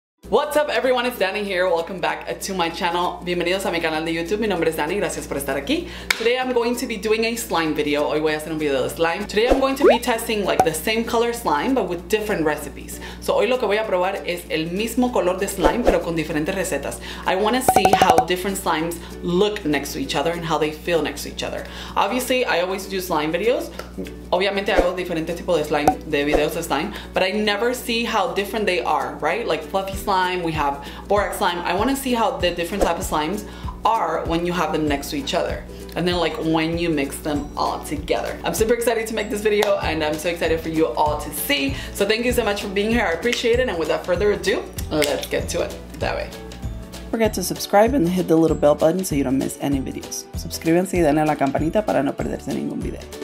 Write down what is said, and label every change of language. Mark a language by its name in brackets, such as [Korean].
[English] What's up everyone, it's Dani here. Welcome back to my channel. [Spanish] Bienvenidos a mi canal de YouTube. Mi nombre es Dani, gracias por estar aquí. [English] Today I'm going to be doing a slime video. [Spanish] Hoy voy a hacer un video de slime. [English] Today I'm going to be testing like the same color slime but with different recipes. [Spanish] So hoy lo que voy a probar es el mismo color de slime pero con diferentes recetas. [English] I want to see how different slimes look next to each other and how they feel next to each other. Obviously, I always do slime videos. [Spanish] Obviamente hago diferentes tipos de slime, [English] de videos de slime, but I never see how different they are, right? Like fluffy slime, we have borax slime. I want to see how the different types of slimes are when you have them next to each other. And then like when you mix them all together. I'm super excited to make this video and I'm so excited for you all to see. So thank you so much for being here. I appreciate it. And without further ado, let's get to it. That way. Forget to subscribe and hit the little bell button so you don't miss any videos. [Spanish] Suscríbanse y denle a la campanita para no perderse ningún video.